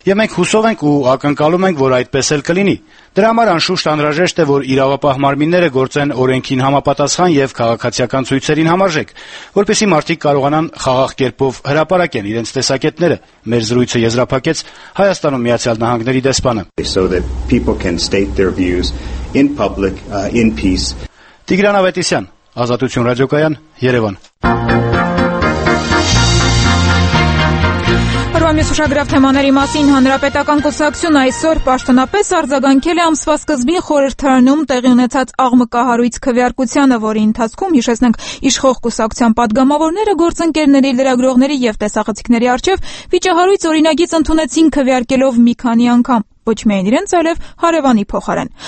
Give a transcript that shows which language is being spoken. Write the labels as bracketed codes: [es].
[hy] Եվ մենք հուսով ենք ու ակնկալում ենք, որ այդպես էլ կլինի։ Դրա համար անշուշտ անհրաժեշտ է, որ իրավապահ մարմինները գործեն օրենքին համապատասխան և քաղաքացիական ցույցերին համաժեք, որպեսզի մարդիկ կարողանան խաղաղ կերպով հրապարակեն իրենց տեսակետները, մեր զրույցը եզրափակեց Հայաստանում Միացյալ Նահանգների դեսպանը։ [en] So that people can state their views in public, in peace. [hy] Տիգրան Ավետիսյան, Ազատություն ռադիոկայան, Երևան։ Ամիս ուշագրավ թեմաների մասին Հանրապետական կուսակցություն այսօր պաշտոնապես արձագանքել է ամսվա սկզբին խորհրդարանում տեղի ունեցած աղմկահարույց քվեարկությանը, որի ընթացքում, հիշեցնենք, իշխող կուսակցության պատգամավորները գործընկերների, լրագրողների և տեսախցիկների առջև վիճահարույց օրինագիծ ընդունեցին քվեարկելով մի քանի անգամ, ոչ միայն իրենց, այլև հարևանի փոխարեն։